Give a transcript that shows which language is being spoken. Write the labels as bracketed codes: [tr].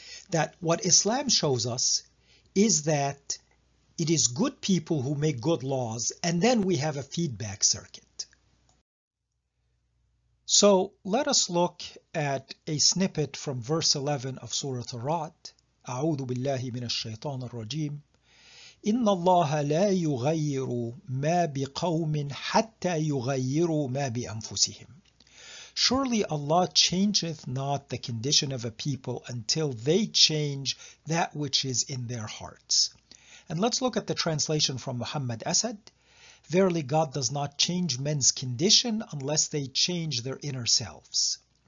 [en] That what Islam shows us is that it is good people who make good laws, and then we have a feedback circuit. So let us look at a snippet from verse 11 of Surah Ar-Ra'd. [ar] أعوذ بالله من الشيطان الرجيم. إن الله لا يغير ما بقوم حتى يغير ما بأنفسهم. [en] Surely Allah changeth not the condition of a people until they change that which is in their hearts. And let's look at the translation from Muhammad Asad. Verily, God does not change men's condition unless they change their inner selves.